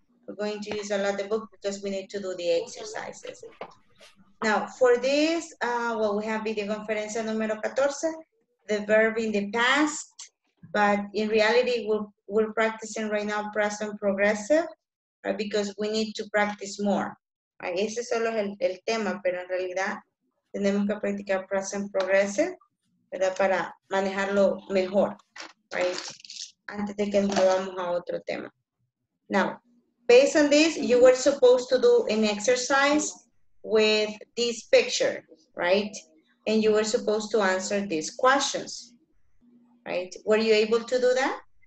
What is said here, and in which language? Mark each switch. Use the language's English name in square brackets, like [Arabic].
[English] We're going to use a lot the book because we need to do the exercises. Now, for this, we have [Spanish] video conferencia número 14, [English] the verb in the past, but in reality, we're practicing right now present progressive, right? Because we need to practice more. Right? [Spanish] Ese solo es el tema, pero en realidad tenemos que practicar present progressive, ¿verdad? Para manejarlo mejor, [English] right? [Spanish] Antes de que nos vamos a otro tema. [English] Now, based on this, you were supposed to do an exercise with this picture, right? And you were supposed to answer these questions, right? Were you able to do that?